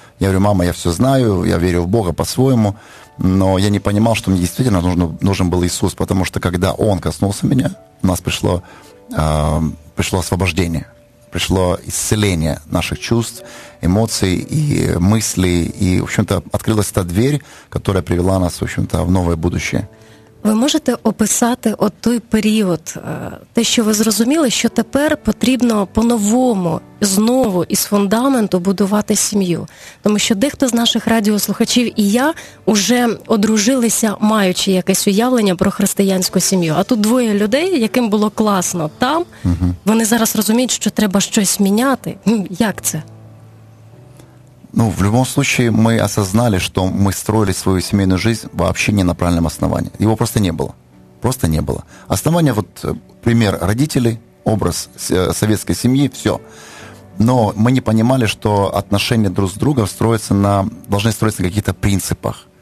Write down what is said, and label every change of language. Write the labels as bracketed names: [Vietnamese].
[Russian] Я говорю, мама, я все знаю, я верю в Бога по-своему, но я не понимал, что мне действительно нужен был Иисус, потому что когда Он коснулся меня, у нас пришло освобождение, пришло исцеление наших чувств, эмоций и мыслей, и, в общем-то, открылась та дверь, которая привела нас, в общем-то, в новое будущее. [Ukrainian] Ви можете описати от той період, те, що ви зрозуміли, що тепер потрібно по-новому, знову, із фундаменту будувати сім'ю. Тому що дехто з наших радіослухачів і я вже одружилися, маючи якесь уявлення про християнську сім'ю. А тут двоє людей, яким було класно там, вони зараз розуміють, що треба щось міняти. Як це? [Russian] Ну, в любом случае, мы осознали, что мы строили свою семейную жизнь вообще не на правильном основании. Его просто не было. Просто не было. Основание, вот пример родителей, образ советской семьи, все. Но мы не понимали, что отношения друг с другом должны строиться на каких-то принципах.